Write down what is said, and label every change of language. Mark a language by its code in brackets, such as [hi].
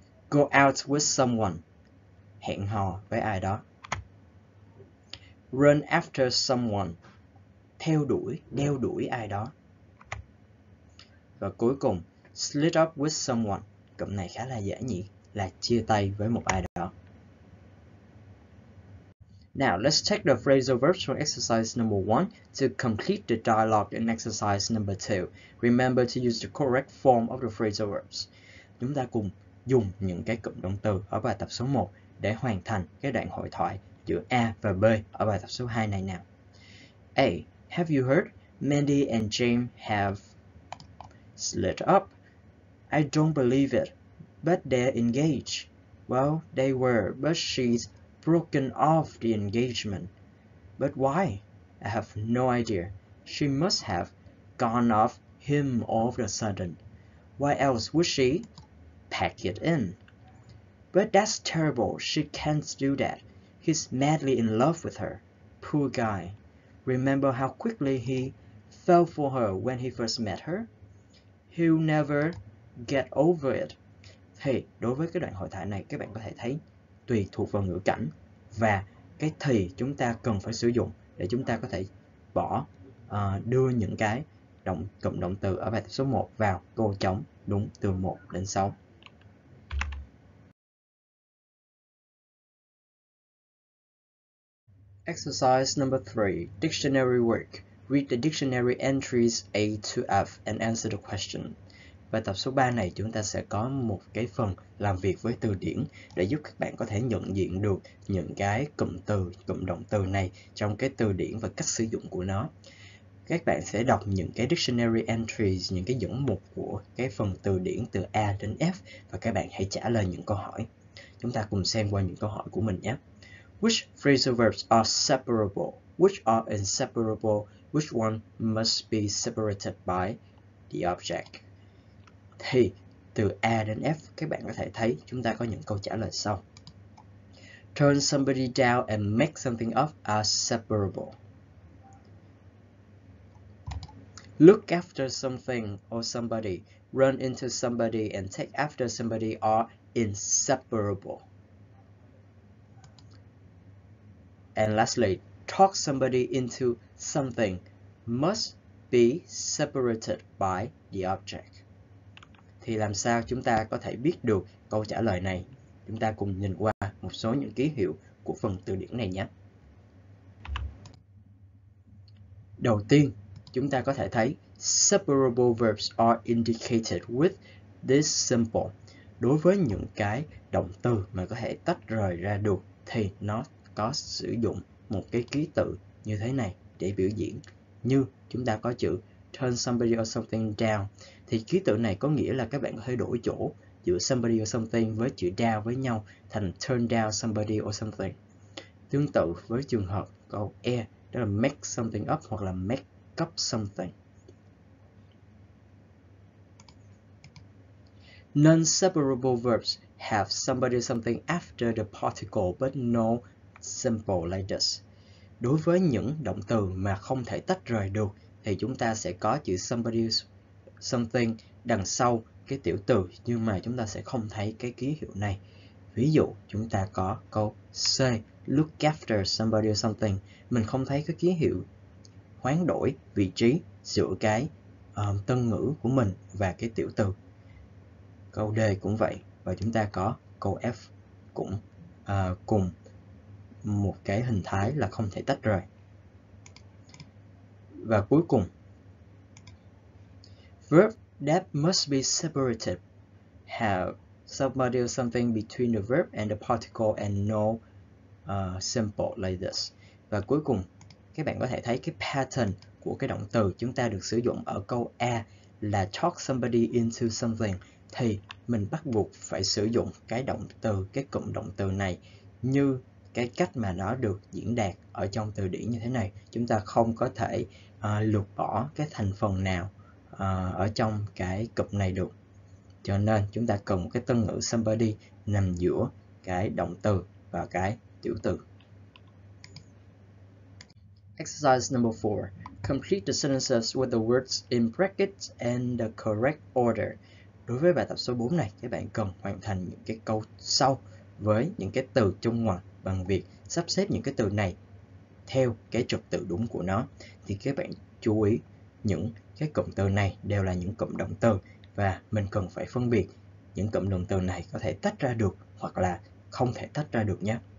[en] Go out with someone, [vi] hẹn hò với ai đó. [en] Run after someone, [vi] theo đuổi, đeo đuổi ai đó. Và cuối cùng, [en] split up with someone, [vi] cụm này khá là dễ nhỉ, là chia tay với một ai đó. [en] Now, let's check the phrasal verbs from exercise number 1 to complete the dialogue in exercise number 2. Remember to use the correct form of the phrasal verbs. [vi] Chúng ta cùng dùng những cái cụm động từ ở bài tập số 1 để hoàn thành cái đoạn hội thoại giữa A và B ở bài tập số 2 này nào. [en] A. Have you heard? Mandy and James have split up. I don't believe it, but they're engaged. Well, they were, but she's broken off the engagement. But why? I have no idea. She must have gone off him all of a sudden. Why else would she pack it in? But that's terrible. She can't do that. He's madly in love with her. Poor guy. Remember how quickly he fell for her when he first met her? He'll never get over it. [vi] Thì đối với cái đoạn hội thoại này, các bạn có thể thấy tùy thuộc vào ngữ cảnh và cái thì chúng ta cần phải sử dụng để chúng ta có thể bỏ đưa những cái cụm động từ ở bài tập số 1 vào câu trống đúng từ 1 đến 6. [en] Exercise number 3, dictionary work. Read the dictionary entries A to F and answer the question. [vi] Bài tập số 3 này chúng ta sẽ có một cái phần làm việc với từ điển để giúp các bạn có thể nhận diện được những cái cụm từ, cụm động từ này trong cái từ điển và cách sử dụng của nó. Các bạn sẽ đọc những cái [en] dictionary entries, [vi] những cái dẫn mục của cái phần từ điển từ A đến F và các bạn hãy trả lời những câu hỏi. Chúng ta cùng xem qua những câu hỏi của mình nhé. [en] Which phrasal verbs are separable? Which are inseparable? Which one must be separated by the object? [vi] Thì từ A đến F các bạn có thể thấy chúng ta có những câu trả lời sau. [en] Turn somebody down and make something up are separable. Look after something or somebody, run into somebody and take after somebody are inseparable. And lastly, talk somebody into something must be separated by the object. [vi] Thì làm sao chúng ta có thể biết được câu trả lời này? Chúng ta cùng nhìn qua một số những ký hiệu của phần từ điển này nhé. Đầu tiên, chúng ta có thể thấy [en] separable verbs are indicated with this symbol. [vi] Đối với những cái động từ mà có thể tách rời ra được thì nó có sử dụng một cái ký tự như thế này để biểu diễn. Như chúng ta có chữ [en] turn somebody or something down [vi] thì ký tự này có nghĩa là các bạn có thể đổi chỗ giữa [en] somebody or something [vi] với chữ down với nhau thành [en] turn down somebody or something. [vi] Tương tự với trường hợp câu E, đó là [en] make something up [vi] hoặc là [en] make up something. Non-separable verbs have somebody something after the particle but no simple like this. [vi] Đối với những động từ mà không thể tách rời được thì chúng ta sẽ có chữ [en] somebody something [vi] đằng sau cái tiểu từ nhưng mà chúng ta sẽ không thấy cái ký hiệu này. Ví dụ chúng ta có câu C, [en] look after somebody something. [vi] Mình không thấy cái ký hiệu hoán đổi vị trí giữa cái tân ngữ của mình và cái tiểu từ. Câu D cũng vậy và chúng ta có câu F cũng cùng một cái hình thái là không thể tách rời. Và cuối cùng, [en] verb that must be separated have somebody or something between the verb and the particle and no simple like this. [vi] Và cuối cùng, các bạn có thể thấy cái pattern của cái động từ chúng ta được sử dụng ở câu A là [en] talk somebody into something [vi] thì mình bắt buộc phải sử dụng cái động từ, cái cụm động từ này như cái cách mà nó được diễn đạt ở trong từ điển như thế này. Chúng ta không có thể lược bỏ cái thành phần nào ở trong cái cụm này được. Cho nên chúng ta cần một cái tân ngữ somebody nằm giữa cái động từ và cái tiểu từ. [en] Exercise number 4. Complete the sentences with the words in brackets and the correct order. [vi] Đối với bài tập số 4 này, các bạn cần hoàn thành những cái câu sau với những cái từ trong ngoặc bằng việc sắp xếp những cái từ này theo cái trật tự đúng của nó. Thì các bạn chú ý những cái cụm từ này đều là những cụm động từ và mình cần phải phân biệt những cụm động từ này có thể tách ra được hoặc là không thể tách ra được nhé.